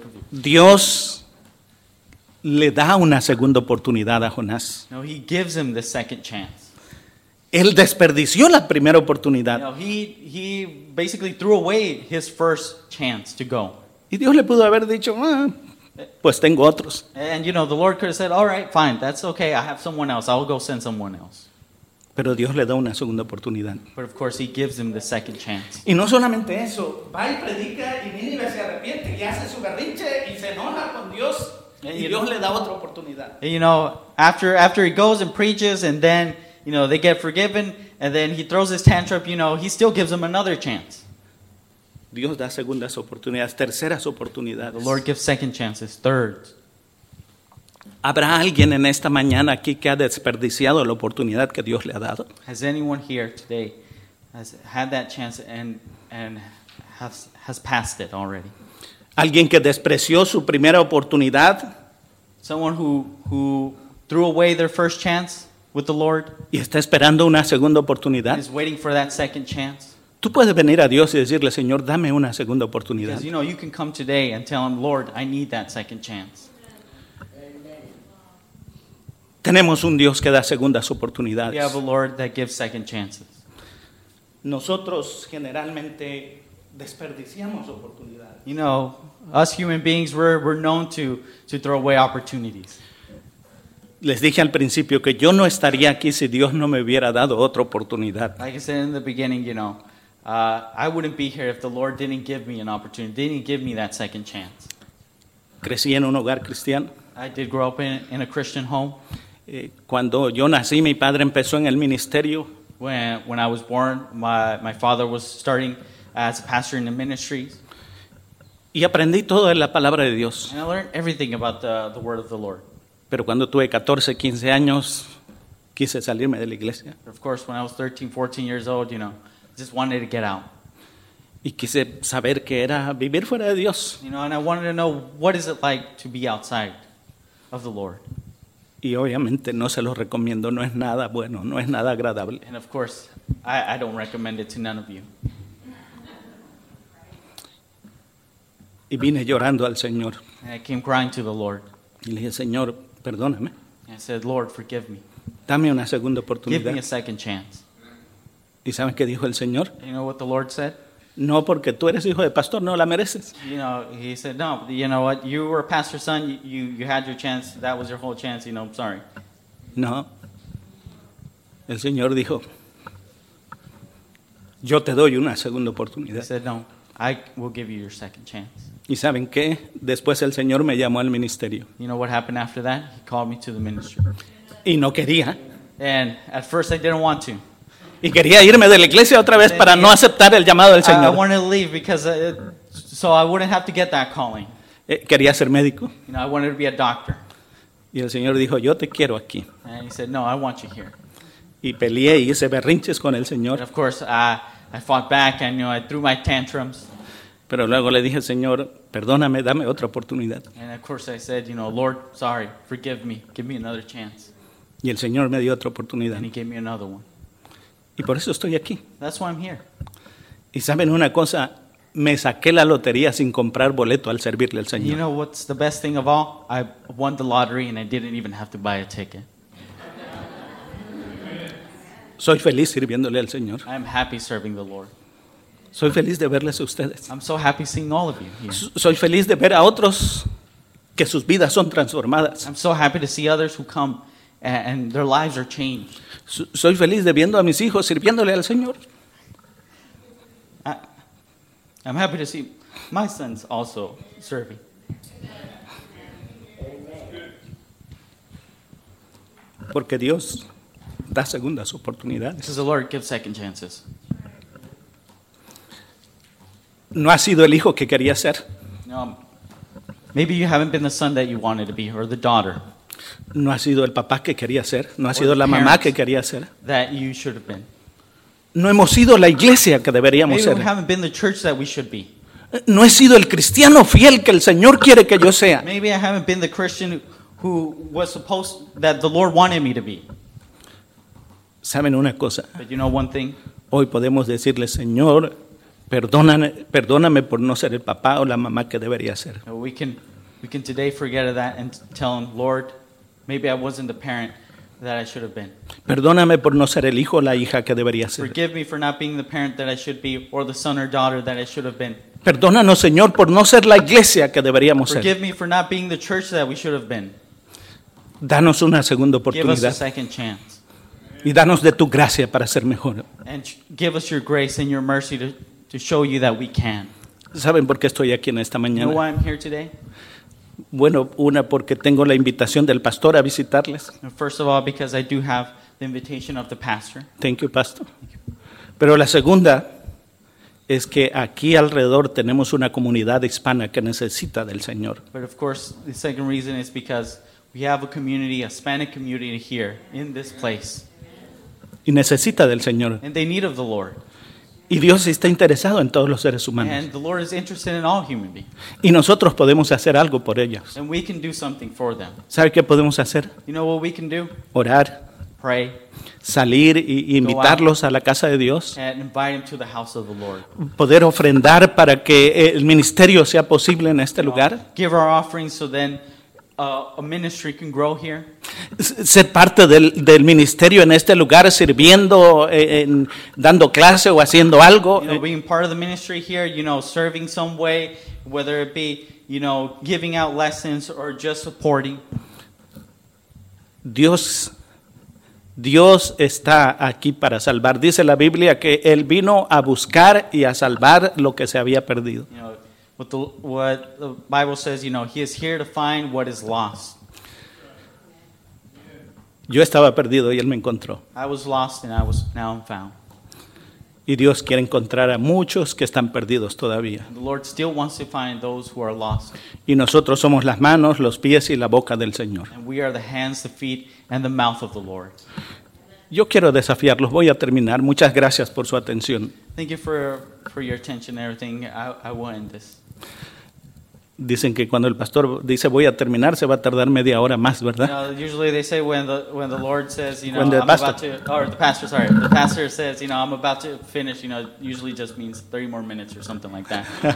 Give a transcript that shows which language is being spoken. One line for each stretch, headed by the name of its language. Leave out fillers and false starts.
Spanish: Dios le da una segunda oportunidad a Jonás.
English: No, he gives him the second chance.
Spanish: Él desperdició la primera oportunidad.
English: You know, he basically threw away his first chance to go.
Spanish: Y Dios le pudo haber dicho, pues tengo otros.
English: And you know, the Lord could have said, all right, fine, that's okay, I have someone else, I'll go send someone else.
Spanish: Pero Dios le da una segunda oportunidad.
English: But of course, he gives him the second chance.
Spanish: Y no solamente eso, va y predica y Nínive se arrepiente y hace su berrinche y se enoja con Dios. And, Dios le da otra oportunidad.
English: And, you know, after he goes and preaches and then, you know, they get forgiven and then he throws his tantrum, you know, he still gives them another chance.
Spanish: Dios da segundas oportunidades, terceras oportunidades.
English: The Lord gives second chances, third.
Spanish: ¿Habrá alguien en esta mañana aquí que ha desperdiciado la oportunidad que Dios le ha dado?
English: Has anyone here today has had that chance and has passed it already?
Spanish: Alguien que despreció su primera oportunidad.
English: Someone who threw away their first chance with the Lord.
Spanish: Y está esperando una segunda oportunidad.
English: Is waiting for that second chance.
Spanish: Tú puedes venir a Dios y decirle, Señor, dame una segunda oportunidad.
English: Because, you know, you can come today and tell him, Lord, I need that second chance.
Spanish: Amen. Tenemos un Dios que da segundas oportunidades.
English: We have a Lord that gives second chances.
Spanish: Nosotros generalmente desperdiciamos oportunidades.
English: You know, us human beings, we're known to throw away opportunities.
Spanish: Les dije al principio que yo no estaría aquí si Dios no me hubiera dado otra oportunidad.
English: Like I said in the beginning, you know, I wouldn't be here if the Lord didn't give me an opportunity, didn't give me that second chance.
Spanish: Crecí en un hogar cristiano.
English: I did grow up in a Christian home.
Spanish: Cuando yo nací, mi padre empezó en el ministerio.
English: When I was born, my father was starting as a pastor in the ministry.
Spanish: Y aprendí todo de la palabra de Dios.
English: And I learned everything about the word of the Lord.
Spanish: Pero cuando tuve 14, 15 años, quise salirme de la iglesia.
English: But of course, when I was 13, 14 years old, you know, just wanted to get out.
Spanish: Y quise saber qué era vivir fuera de Dios.
English: You know, and I wanted to know, what is it like to be outside of the Lord?
Spanish: Y obviamente no se lo recomiendo, no es nada bueno, no es nada agradable.
English: And of course, I don't recommend it to none of you.
Spanish: Y vine llorando al Señor.
English: And I came crying to the Lord.
Spanish: Y le dije, Señor, perdóname.
English: And I said, Lord, forgive me.
Spanish: Dame una segunda oportunidad.
English: Give me a second chance.
Spanish: ¿Y sabes qué dijo el Señor?
English: You know what the Lord said?
Spanish: No, porque tú eres hijo de pastor, no la mereces.
English: You know, he said, no, you know what? You were a pastor's son, you had your chance, that was your whole chance, you know, I'm sorry.
Spanish: No. El Señor dijo, yo te doy una segunda oportunidad.
English: He said, no, I will give you your second chance.
Spanish: ¿Y saben qué? Después el Señor me llamó al ministerio.
English: You know what happened after that? He called me to the ministry.
Spanish: Y no quería.
English: And at first I didn't want to.
Spanish: Y quería irme de la iglesia otra vez para no aceptar el llamado del Señor.
English: I wanted to leave because so I wouldn't have to get that calling.
Spanish: Quería ser médico.
English: You know, I wanted to be a doctor.
Spanish: Y el Señor dijo, yo te quiero aquí.
English: And he said, no, I want you here.
Spanish: Y peleé y hice berrinches con el Señor.
English: And of course, I fought back and, you know, I threw my tantrums.
Spanish: Pero luego le dije, Señor, perdóname, dame otra oportunidad.
English: And of course I said, you know, Lord, sorry, forgive me, give me another chance.
Spanish: Y el Señor me dio otra oportunidad.
English: And he gave me another one.
Spanish: Y por eso estoy aquí.
English: That's why I'm here.
Spanish: Y saben una cosa, me saqué la lotería sin comprar boleto al servirle al Señor.
English: You know what's the best thing of all? I won the lottery and I didn't even have to buy a ticket.
Spanish: Soy feliz sirviéndole al Señor.
English: I'm happy serving the Lord.
Spanish: Soy feliz de verles a ustedes.
English: I'm so happy seeing all of you here.
Spanish: Soy feliz de ver a otros que sus vidas son transformadas.
English: I'm so happy to see others who come and their lives are changed.
Spanish: Soy feliz de viendo a mis hijos sirviéndole al Señor.
English: I'm happy to see my sons also serving.
Spanish: Porque Dios da segundas oportunidades.
English: Because the Lord gives second chances.
Spanish: No ha sido el hijo que quería ser.
English: No, maybe you haven't been the son that you wanted to be, or the daughter.
Spanish: No ha sido el papá que quería ser. No ha sido la mamá que quería ser.
English: That you should have been.
Spanish: No hemos sido la iglesia que deberíamos ser.
English: We haven't been the church that we should be.
Spanish: No he sido el cristiano fiel que el Señor quiere que yo sea.
English: Maybe I haven't been the Christian who was supposed that the Lord wanted me to be.
Spanish: ¿Saben una cosa?
English: But you know one thing?
Spanish: Hoy podemos decirle, Señor, perdóname por no ser el papá o la mamá que debería ser.
English: We can today forget of that and tell him, Lord, maybe I wasn't the parent that I should have been.
Spanish: Perdóname por no ser el hijo o la hija que debería ser.
English: Forgive me for not being the parent that I should be or the son or daughter that I should have been.
Spanish: Perdónanos, Señor, por no ser la iglesia que deberíamos
English: Forgive
Spanish: ser.
English: Forgive me for not being the church that we should have been.
Spanish: Danos una segunda oportunidad.
English: Give us a second chance.
Spanish: Y danos de tu gracia para ser mejor.
English: And give us your grace and your mercy to show you that we can.
Spanish: ¿Saben por qué estoy aquí en esta mañana?
English: You know why I'm here today?
Spanish: Bueno, una, porque tengo la invitación del pastor a visitarles.
English: First of all, because I do have the invitation of the pastor. Thank you, pastor. Thank you.
Spanish: Pero la segunda es que aquí alrededor tenemos una comunidad hispana que necesita del Señor.
English: But of course, the second reason is because we have a community, a Hispanic community here in this place.
Spanish: Y necesita del Señor.
English: And they need of the Lord.
Spanish: Y Dios está interesado en todos los seres humanos.
English: And the Lord is interested in all human beings.
Spanish: Y nosotros podemos hacer algo por ellos.
English: And we can do something for them.
Spanish: ¿Sabe qué podemos hacer?
English: You know what we can do?
Spanish: Orar.
English: Pray.
Spanish: Salir y invitarlos a la casa de Dios.
English: And invite them to the house of the Lord.
Spanish: Poder ofrendar para que el ministerio sea posible en este lugar.
English: Give our offerings so then a ministry can grow here.
Spanish: Ser parte del ministerio en este lugar, sirviendo, dando clase o haciendo algo.
English: You know, being part of the ministry here, you know, serving some way, whether it be, you know, giving out lessons or just supporting.
Spanish: Dios está aquí para salvar. Dice la Biblia que Él vino a buscar y a salvar lo que se había perdido.
English: You know, What the Bible says, you know, he is here to find what is lost.
Spanish: Yo estaba perdido y él me encontró.
English: I was lost and now I'm found.
Spanish: Y Dios quiere encontrar a muchos que están perdidos todavía.
English: And the Lord still wants to find those who are lost.
Spanish: Y nosotros somos las manos, los pies y la boca del Señor.
English: And we are the hands, the feet, and the mouth of the Lord.
Spanish: Yo quiero desafiarlos. Voy a terminar. Muchas gracias por su atención.
English: Thank you for your attention and everything. I will end this.
Spanish: Dicen que cuando el pastor dice voy a terminar, se va a tardar media hora más, ¿verdad?
English: You know, usually they say when the Lord says, you know, the pastor says, you know, I'm about to finish, you know, usually just means 30 more minutes or something like that.